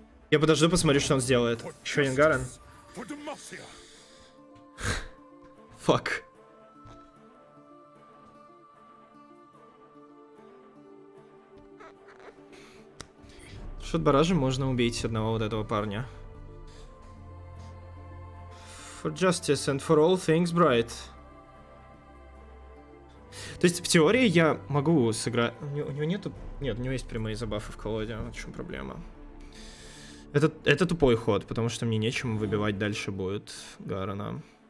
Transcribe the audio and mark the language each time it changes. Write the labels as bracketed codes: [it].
[ru] Я подожду, посмотрю, что он сделает. Шрингарен. Фак. Шот баражем можно убить одного вот этого парня. [en] For justice and for all things bright. [ru] То есть, в теории, я могу сыграть... У него нету... Нет, у него есть прямые забафы в колоде. В чем проблема? Это тупой ход, потому что мне нечем выбивать дальше будет Гарена.